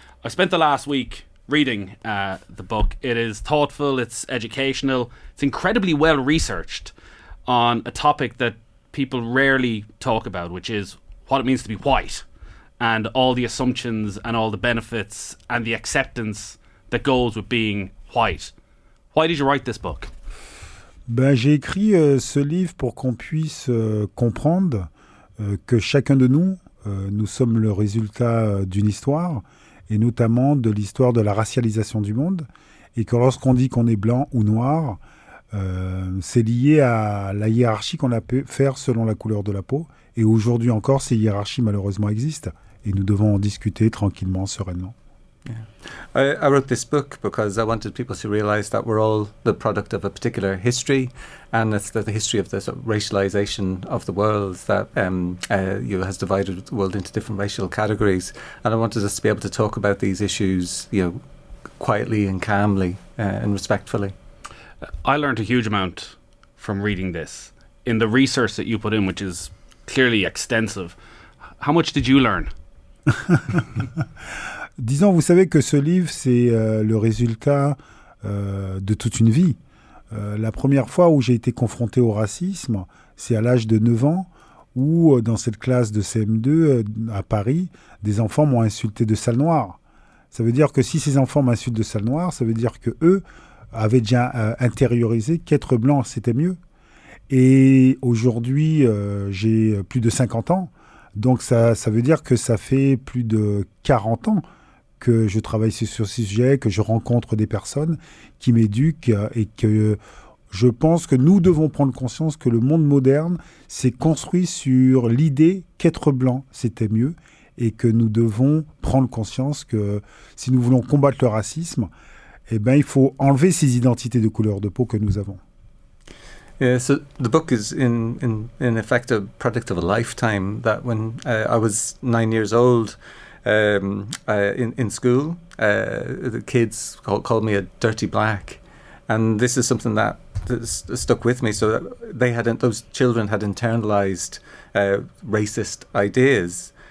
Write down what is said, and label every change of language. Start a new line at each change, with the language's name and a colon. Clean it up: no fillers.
English: I spent the last week reading the book. It is thoughtful, it's educational, it's incredibly well researched on a topic that people rarely talk about, which is what it means to be white and all the assumptions and all the benefits and the acceptance that goes with being white. Why did you write this book?
French: Ben, j'ai écrit ce livre pour qu'on puisse comprendre que chacun de nous, nous sommes le résultat d'une histoire, et notamment de l'histoire de la racialisation du monde, et que lorsqu'on dit qu'on est blanc ou noir, c'est lié à la hiérarchie qu'on a pu faire selon la couleur de la peau. Et aujourd'hui encore, ces hiérarchies malheureusement existent, et nous devons en discuter tranquillement, sereinement.
English: Yeah. I wrote this book because I wanted people to realize that we're all the product of a particular history, and it's the history of the sort of racialization of the world that has divided the world into different racial categories. And I wanted us to be able to talk about these issues, you know, quietly and calmly and respectfully. I learned a huge amount from reading this. In the research that you put in, which is clearly extensive, how much did you learn?
French: Disons, vous savez que ce livre, c'est le résultat de toute une vie. La première fois où j'ai été confronté au racisme, c'est à l'âge de 9 ans, où dans cette classe de CM2 à Paris, des enfants m'ont insulté de sale noire. Ça veut dire que si ces enfants m'insultent de sale noire, ça veut dire qu'eux avaient déjà intériorisé qu'être blanc, c'était mieux. Et aujourd'hui, j'ai plus de 50 ans. Donc ça veut dire que ça fait plus de 40 ans que je travaille sur ce sujet, que je rencontre des personnes qui m'éduquent et que je pense que nous devons prendre conscience que le monde moderne s'est construit sur l'idée qu'être blanc, c'était mieux, et que nous devons prendre conscience que si nous voulons combattre le racisme, eh ben, il faut enlever ces identités de couleur de peau que nous avons.
English: Yeah, so the book is in effect a product of a lifetime. That when I was 9 years old, in school, the kids called me a dirty black, and this is something that stuck with me. So that those children had internalized racist ideas.